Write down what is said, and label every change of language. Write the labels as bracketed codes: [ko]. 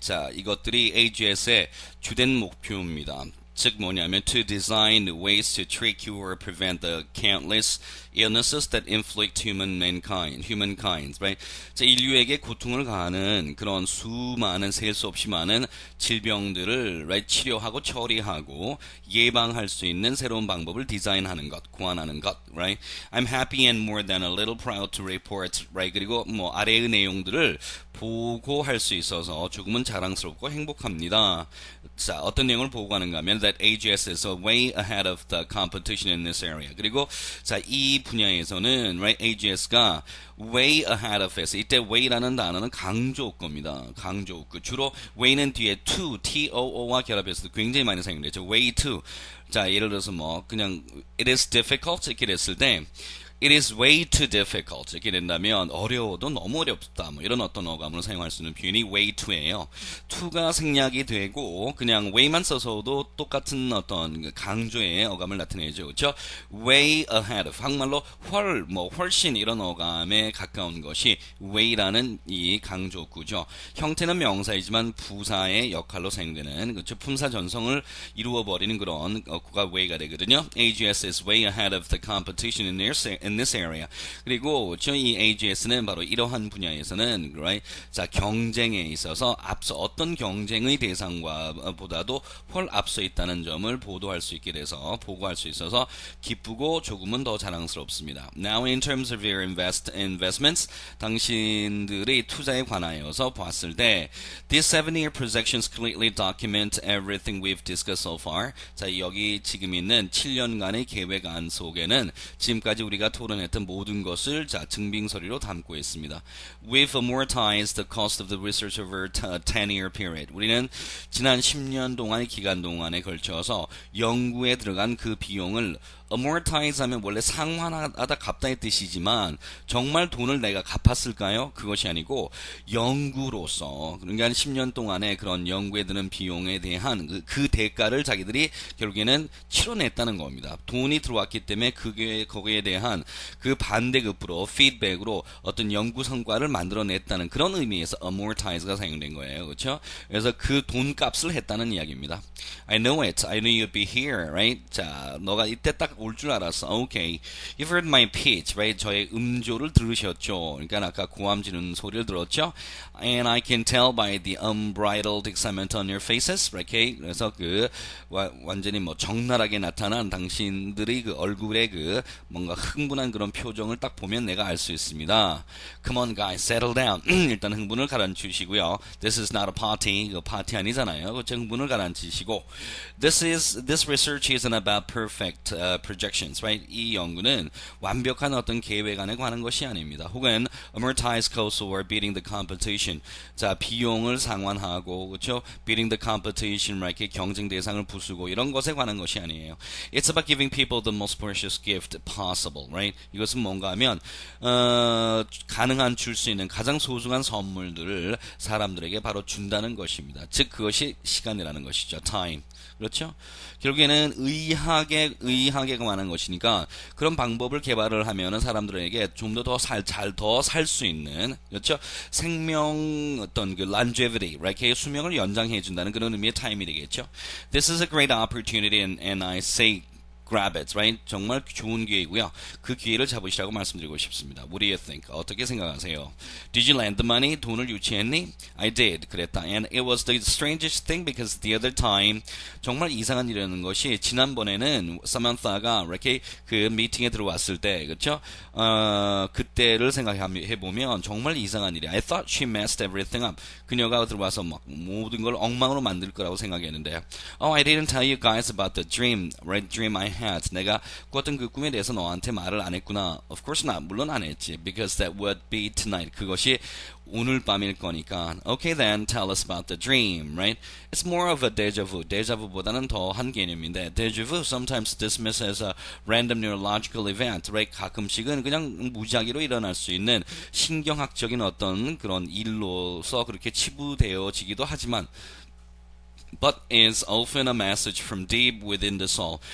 [ko] 자, 이것들이 AGS의 주된 목표입니다. 즉 뭐냐면 [en] to design ways to treat or prevent the countless illnesses that inflict humankind, right? [ko] 자, 인류에게 고통을 가하는 그런 수많은 셀수 없이 많은 질병들을 [en] right? [ko] 치료하고 처리하고 예방할 수 있는 새로운 방법을 디자인하는 것, 고안하는 것, [en] right? I'm happy and more than a little proud to report, right? [ko] 그리고 뭐 아래의 내용들을 보고할 수 있어서 조금은 자랑스럽고 행복합니다. 자, 어떤 내용을 보고하는가 하면 [en] that AGS is way ahead of the competition in this area. [ko] 그리고 자, 이 분야에서는 [en] right, [ko] AGS가 [en] way ahead of this. [ko] 이때 way라는 단어는 강조어입니다. 강조어. 주로 way는 뒤에 to, too와 결합해서 굉장히 많이 사용되죠. [en] way to. [ko] 자, 예를 들어서 뭐 그냥 [en] it is difficult [ko] 이렇게 됐을 때 [en] it is way too difficult [ko] 이렇게 된다면 어려워도 너무 어렵다 뭐 이런 어떤 어감으로 사용할 수 있는 표현이 [en] way to [ko] 예요. to가 생략이 되고 그냥 way만 써서도 똑같은 어떤 강조의 어감을 나타내죠. 그렇죠? [en] way ahead [ko] 한국말로 훨뭐 훨씬 이런 어감에 가까운 것이 way라는 이 강조구죠. 형태는 명사이지만 부사의 역할로 사용되는 그렇죠? 품사 전성을 이루어버리는 그런 어구가 way가 되거든요. [en] AGS is way ahead of the competition in this area. [ko] 그리고 저희 AGS는 바로 이러한 분야에서는 [en] right? [ko] 자, 경쟁에 있어서 앞서 어떤 경쟁의 대상과보다도 훨 앞서 있다는 점을 보도할 수 있게 돼서 보고할 수 있어서 기쁘고 조금은 더 자랑스럽습니다. [en] Now in terms of your investments, [ko] 당신들의 투자에 관하여서 봤을 때 [en] These 7-year projections clearly document everything we've discussed so far. [ko] 자, 여기 지금 있는 7년간의 계획안 속에는 지금까지 우리가 토론했던 모든 것을 자, 증빙 서류로 담고 있습니다. [en] We've amortized the cost of the research over a 10-year period. [ko] 우리는 지난 10년 동안의 기간 동안에 걸쳐서 연구에 들어간 그 비용을 amortize 하면 원래 상환하다 갚다의 뜻이지만 정말 돈을 내가 갚았을까요? 그것이 아니고 연구로서 그러니까 한 10년 동안에 그런 연구에 드는 비용에 대한 그 대가를 자기들이 결국에는 치러냈다는 겁니다. 돈이 들어왔기 때문에 그게 거기에 대한 그 반대급부로 feedback으로 어떤 연구 성과를 만들어냈다는 그런 의미에서 amortize가 사용된 거예요. 그렇죠? 그래서 그 돈값을 했다는 이야기입니다. [en] I know it. I knew you'd be here, right? [ko] 자, 너가 이때 딱올줄 알았어. [en] Okay. You've heard my pitch, right? [ko] 저의 음조를 들으셨죠? 그러니까 아까 고함 지르는 소리를 들었죠? [en] And I can tell by the unbridled excitement on your faces, right? [ko] 그래서 그 완전히 뭐 적나라하게 나타난 당신들의 그 얼굴에 그 뭔가 흥분한 그런 표정을 딱 보면 내가 알수 있습니다. [en] Come on, guys, settle down. [ko] 일단 흥분을 가라앉히시고요. [en] This is not a party. [ko] 이거 파티 아니잖아요. 그 흥분을 가라앉히시고. [en] This research isn't about perfect. Projections, right? [ko] 이 연구는 완벽한 어떤 계획안에 관한 것이 아닙니다. 혹은 [en] amortized costs or beating the competition. [ko] 자, 비용을 상환하고, 그렇죠? [en] Beating the competition, right? [ko] 경쟁 대상을 부수고 이런 것에 관한 것이 아니에요. [en] It's about giving people the most precious gift possible, right? [ko] 이것은 뭔가 하면 가능한 줄수 있는 가장 소중한 선물들을 사람들에게 바로 준다는 것입니다. 즉, 그것이 시간이라는 것이죠. [en] Time. [ko] 그렇죠? 결국에는 의학에 관한 것이니까 그런 방법을 개발을 하면은 사람들에게 좀더더살잘더살수 있는 그렇죠? 생명 어떤 그 longevity, [en] right? [ko] 수명을 연장해 준다는 그런 의미의 타임이 되겠죠? [en] This is a great opportunity and I say grab it, right? [ko] 정말 좋은 기회이고요. 그 기회를 잡으시라고 말씀드리고 싶습니다. [en] What do you think? [ko] 어떻게 생각하세요? [en] Did you lend the money? [ko] 돈을 유치했니? [en] I did. [ko] 그랬다. [en] And it was the strangest thing because the other time, [ko] 정말 이상한 일이라는 것이 지난번에는 사만사가 이렇게 그 미팅에 들어왔을 때, 그렇죠? 그때를 생각해보면 정말 이상한 일이야. [en] I thought she messed everything up. [ko] 그녀가 들어와서 막 모든 걸 엉망으로 만들 거라고 생각했는데, [en] Oh, I didn't tell you guys about the dream, right? Dream I had. [ko] 내가 꿨던 그 꿈에 대해서 너한테 말을 안 했구나. [en] Of course not. [ko] 물론 안 했지. [en] Because that would be tonight. [ko] 그것이 오늘 밤일 거니까. [en] Okay then, tell us about the dream, right? It's more of a deja vu. Deja vu보다는 [ko] 더한 개념인데, [en] deja vu sometimes dismissed as a random neurological event, right? [ko] 가끔씩은 그냥 무작위로 일어날 수 있는 신경학적인 어떤 그런 일로서 그렇게 치부되어지기도 하지만, [en] But is often a message from deep within the soul.